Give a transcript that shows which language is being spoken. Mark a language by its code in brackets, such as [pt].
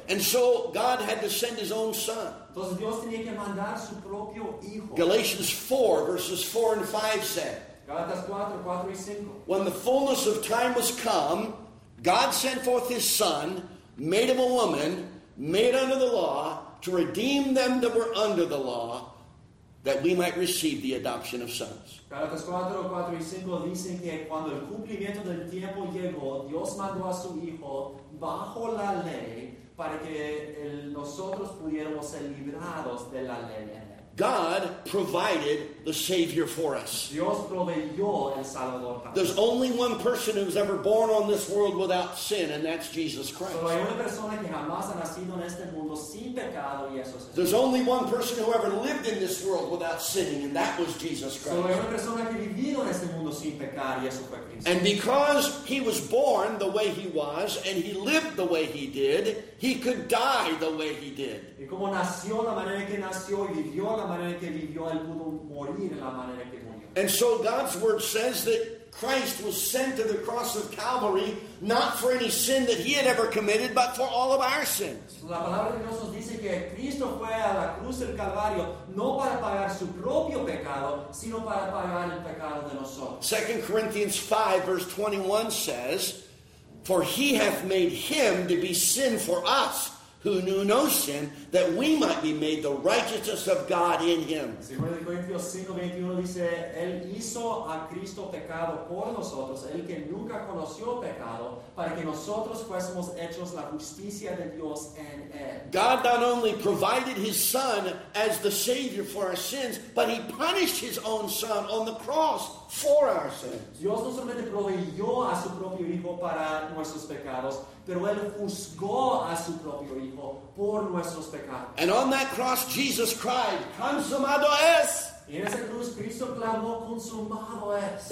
[en] And so God had to send His own Son. [es] Entonces Dios tenía que mandar su propio hijo. [en] Galatians 4, verses 4 and 5 said, [es] Galatas 4, 4 y 5. [en] When the fullness of time was come, God sent forth His Son, made Him a woman, made under the law, to redeem them that were under the law, that we might receive the adoption of sons. [es] Galatas 4, 4 y 5 dicen que cuando el cumplimiento del tiempo llegó, Dios mandó a su Hijo bajo la ley para que nosotros pudiéramos ser librados de la ley. [en] God provided the Savior for us. [es] Dios proveyó el Salvador para. [en] There's only one person who's ever born on this world without sin, and that's Jesus Christ. [es] Solo hay una persona que jamás ha nacido en este mundo sin pecado, y eso es Jesús. [en] There's only one person who ever lived in this world without sinning, and that was Jesus Christ. [es] Solo hay una persona que vivió en este mundo sin pecar, y eso fue Cristo. [en] And because He was born the way He was, and He lived the way He did, He could die the way He did. [es] Y como nació la manera que nació y vivió la manera que vivió, él pudo morir la manera que murió. [en] And so God's word says that Christ was sent to the cross of Calvary not for any sin that He had ever committed, but for all of our sins. [es] La palabra de Dios nos dice que Cristo fue a la cruz del Calvario no para pagar su propio pecado, sino para pagar el pecado de nosotros. [en] 2 Corinthians 5 verse 21 says, for He hath made Him to be sin for us, who knew no sin, that we might be made the righteousness of God in Him. [es] 2 Corintios 5, 21 dice, Él hizo a Cristo pecado por nosotros, el que nunca conoció pecado, para que nosotros fuésemos hechos la justicia de Dios en Él. [en] God not only provided His Son as the Savior for our sins, but He punished His own Son on the cross for our sins. [es] Dios no solamente proveyó a su propio Hijo para nuestros pecados, pero Él juzgó a su propio Hijo por nuestros pecados. [en] And on that cross, Jesus cried, [es] consumado es. Y en esa cruz, Cristo clamó, consumado es.